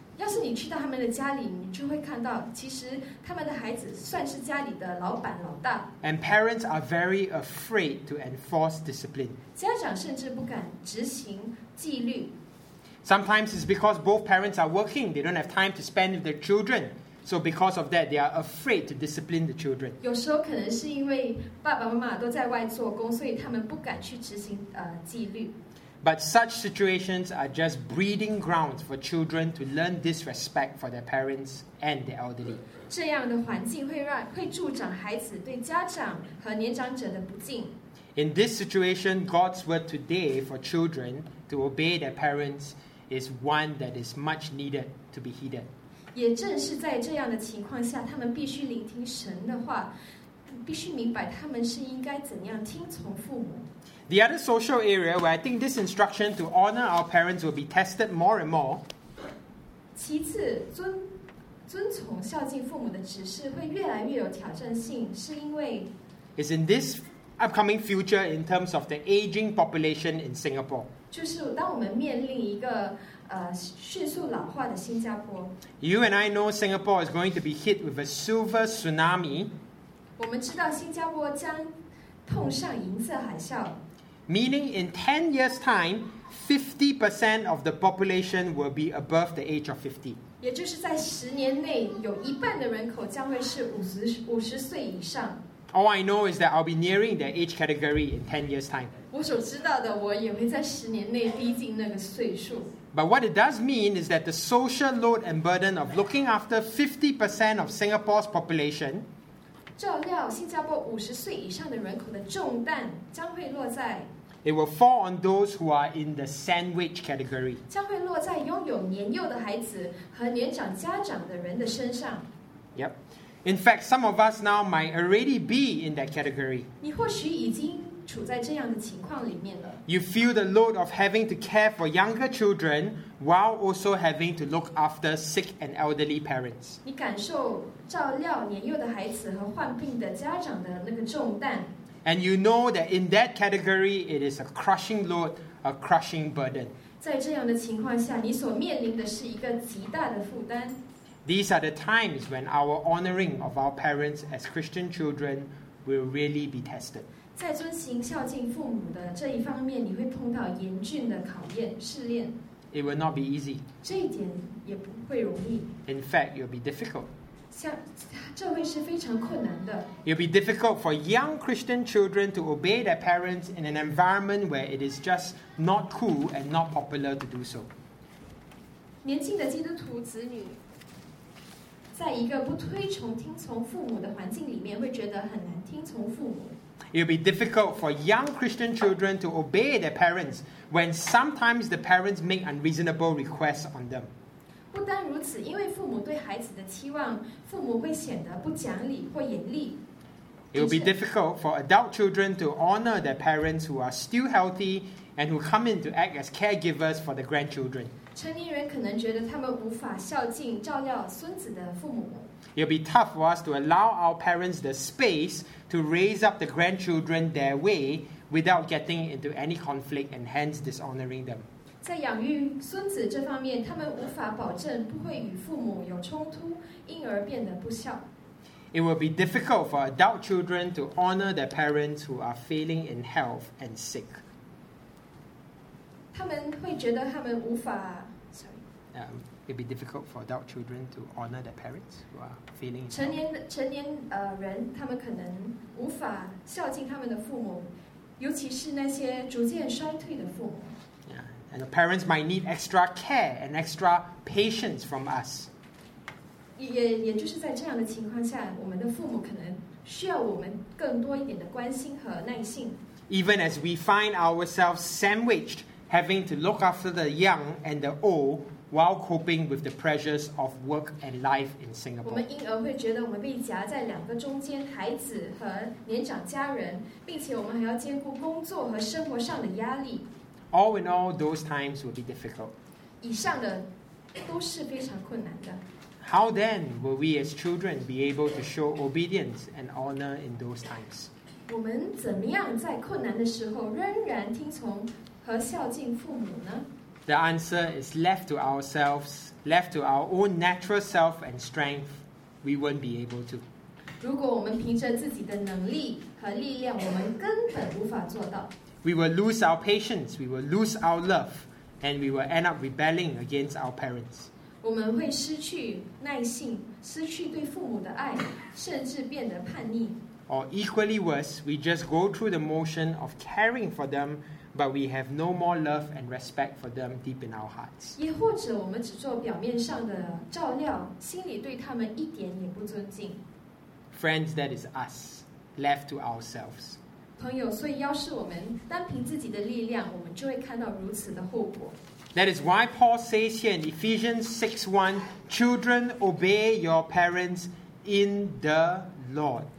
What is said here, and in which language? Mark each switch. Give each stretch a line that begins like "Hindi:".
Chinese: 要是你去到他们的家里，你就会看到，其实他们的孩子算是家里的老板老大。
English: And parents are very afraid to enforce discipline.
Chinese: 家长甚至不敢执行纪律。
English: Sometimes it's because both parents are working, they don't have time to spend with their children. So because of that, they are afraid to discipline the children.
Chinese: 有时候可能是因为爸爸妈妈都在外做工，所以他们不敢去执行纪律。
English: But such situations are just breeding grounds for children to learn disrespect for their parents and the elderly.
Chinese: 这样的环境会助长孩子对家长和年长者的不敬。
English: In this situation, God's word today for children to obey their parents is one that is much needed to be heeded.
Chinese: 也正是在这样的情况下，他们必须聆听神的话，必须明白他们是应该怎样听从父母。
English: The other social area where I think this instruction to honor our parents will be tested more and more.
Chinese: 其次，遵从孝敬父母的指示会越来越有挑战性，是因为
English: is in this upcoming future in terms of the aging population in Singapore.
Chinese: 就是当我们面临一个迅速老化的新加坡。
English: You and I know Singapore is going to be hit with a silver tsunami.
Chinese: 我们知道新加坡将碰上银色海啸。
English: Meaning in 10 years' time, 50% of the population will be above the age of 50.
Chinese: 也就是在10年内，有一半的人口将会是50岁以上。
English: All I know is that I'll be nearing the age category in 10 years' time.
Chinese: 我所知道的，我也会在十年内逼近那个岁数。
English: But what it does mean is that the social load and burden of looking after 50% of Singapore's population.
Chinese: 照料新加坡五十岁以上的人口的重担将会落在。
English: It will fall on those who are in the sandwich category.
Chinese: 将会落在拥有年幼的孩子和年长家长的人的身上。
English: Yep. In fact, some of us now might already be in that category.
Chinese: 你或许已经处在这样的情况里面了。
English: You feel the load of having to care for younger children while also having to look after sick and elderly parents.
Chinese: 你感受照料年幼的孩子和患病的家长的那个重担。
English: And you know that in that category, it is a crushing load, a crushing burden.
Chinese: 在这样的情况下，你所面临的是一个极大的负担。
English: These are the times when our honoring of our parents as Christian children will really be tested.
Chinese: 在遵行孝敬父母的这一方面，你会碰到严峻的考验、试炼。
English: It will not be easy.
Chinese: 这一点也不会容易。
English: In fact, it will be difficult.
Chinese: 这会是非常困难的。
English: It'll be difficult for young Christian children to obey their parents in an environment where it is just not cool and not popular to do so.
Chinese: 年轻的基督徒子女在一个不推崇听从父母的环境里面会觉得很难听从父母。
English: It'll be difficult for young Christian children to obey their parents when sometimes the parents make unreasonable requests on them.
Chinese: 不单如此，因为父母对孩子的期望，父母会显得不讲理或严厉。
English: It will be difficult for adult children to honor their parents who are still healthy and who come in to act as caregivers for the grandchildren.
Chinese: 成年人可能觉得他们无法孝敬照料孙子的父母。
English: It will be tough for us to allow our parents the space to raise up the grandchildren their way without getting into any conflict and hence dishonoring them.
Chinese: 在养育孙子这方面，他们无法保证不会与父母有冲突，因而变得不孝。
English: It will be difficult for adult children to honor their parents who are failing in health and sick.
Chinese: 他们会觉得他们无法
English: It will be difficult for adult children to honor their parents who are failing.
Chinese: 成年人，他们可能无法孝敬他们的父母，尤其是那些逐渐衰退的父母。
English: And the parents might need extra care and extra patience from us.
Chinese: 也就是在这样的情况下，我们的父母可能需要我们更多一点的关心和耐心。
English: Even as we find ourselves sandwiched, having to look after the young and the old while coping with the pressures of work and life in Singapore.
Chinese: 我们因而会觉得我们被夹在两个中间，孩子和年长家人，并且我们还要兼顾工作和生活上的压力。
English: All in all, those times will be difficult.
Chinese: 以上的都是非常困难的。
English: How then will we as children be able to show obedience and honor in those times?
Chinese: 我们怎么样在困难的时候仍然听从和孝敬父母呢？
English: The answer is left to ourselves, left to our own natural self and strength, we won't be able to.
Chinese: 如果我们凭着自己的能力和力量，我们根本无法做到。
English: We will lose our patience, we will lose our love, and we will end up rebelling against our parents.
Chinese: 我们会失去耐性，失去对父母的爱，甚至变得叛逆。
English: Or equally worse, we just go through the motion of caring for them, but we have no more love and respect for them deep in our hearts.
Chinese: 也或者我们只做表面上的照料，心里对他们一点也不尊敬。
English: Friends, that is us, left to ourselves.
Chinese: 朋友，所以要是我们单凭自己的力量，我们就会看到如此的后果。
English: That is why Paul says here in Ephesians 6:1, "Children, obey your parents in the Lord."